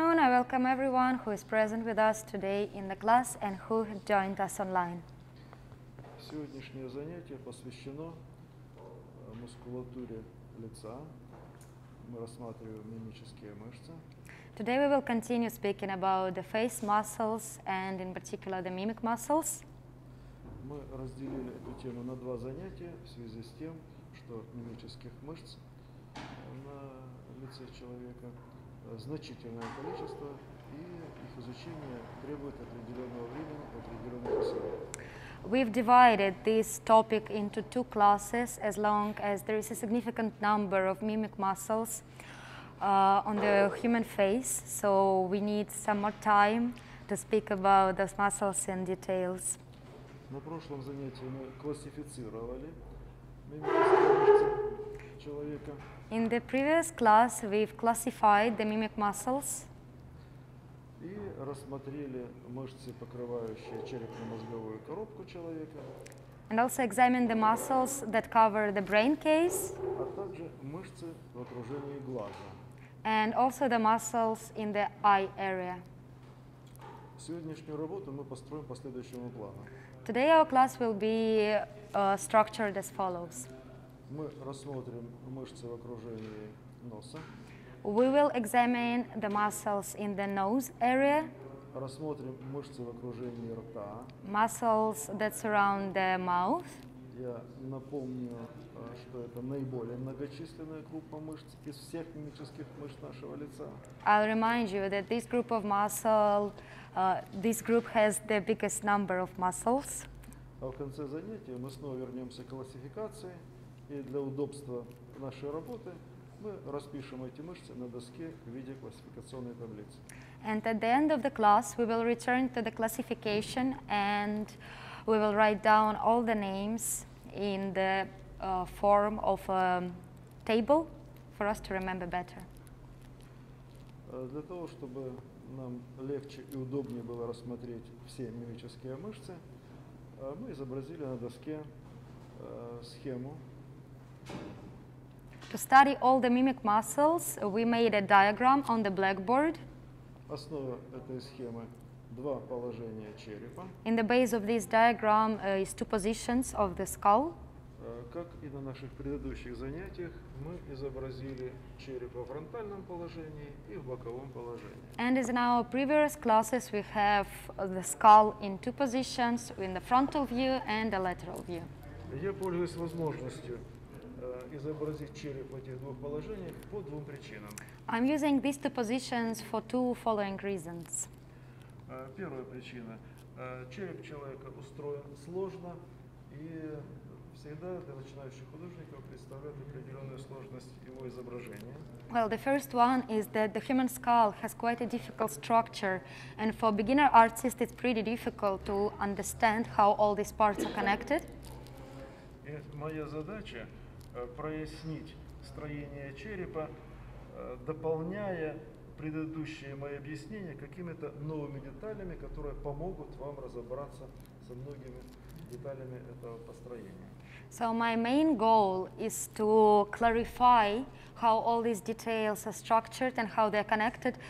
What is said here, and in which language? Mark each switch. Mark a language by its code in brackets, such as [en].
[en] welcome everyone who is present with us today in the class and who have joined us online. [ru] Сегодняшнее занятие посвящено мускулатуре лица. Мы рассматриваем мимические мышцы. [en] Today we will continue speaking about the face muscles and in particular the mimic muscles. [ru] Мы разделили эту тему на два занятия в связи с тем, что мимических мышц на лице человека значительное количество, и их изучение требует определенного времени, определенных усилий. [en] We've divided this topic into two classes, as long as there is a significant number of mimic muscles on the human face, so we need some more time to speak about those muscles in details. [ru] На прошлом занятии мы классифицировали мимические мышцы человека. [en] In the previous class, we've classified the mimic muscles. [ru] И рассмотрели мышцы, покрывающие черепно-мозговую коробку человека. [en] And also examined the muscles that cover the brain case. [ru] А также мышцы в окружении глаза. [en] And also the muscles in the eye area. [ru] Сегодняшнюю работу мы построим по следующему плану. [en] Today our class will be structured as follows. [ru] Мы рассмотрим мышцы в окружении носа. [en] We will examine the muscles in the nose area. [ru] Рассмотрим мышцы в окружении рта. [en] Muscles that surround the mouth. [ru] Я напомню, что это наиболее многочисленная группа мышц из всех мимических мышц нашего лица. [en] I'll remind you that this group of muscle, this group has the biggest number of muscles. [ru] А в конце занятия мы снова вернемся к классификации. И для удобства нашей работы мы распишем эти мышцы на доске в виде классификационной таблицы. [en] And at the end of the class we will return to the classification and we will write down all the names in the form of a table for us to remember better. [ru] Для того, чтобы нам легче и удобнее было рассмотреть все мимические мышцы, мы изобразили на доске схему. [en] To study all the mimic muscles, we made a diagram on the blackboard. [ru] Основа этой схемы – два положения черепа. [en] In the base of this diagram is two positions of the skull. [ru] Как и на наших предыдущих занятиях, мы изобразили череп во фронтальном положении и в боковом положении. [en] And as in our previous classes, we have the skull in two positions, in the frontal view and the lateral view. [ru] Я пользуюсь возможностью изобразить череп в этих двух положениях по двум причинам. [en] I'm using these two positions for two following reasons. [ru] Первая причина. Череп человека устроен сложно, и всегда для начинающих художников представляет определенную сложность его изображения. [en] Well, the first one is that the human skull has quite a difficult structure, and for beginner artists it's pretty difficult to understand how all these parts are connected. [ru] И моя задача прояснить строение черепа, дополняя предыдущие мои объяснения какими-то новыми деталями, которые помогут вам разобраться со многими деталями этого построения. [en] So my main goal is to clarify how all these details are structured and how they're connected.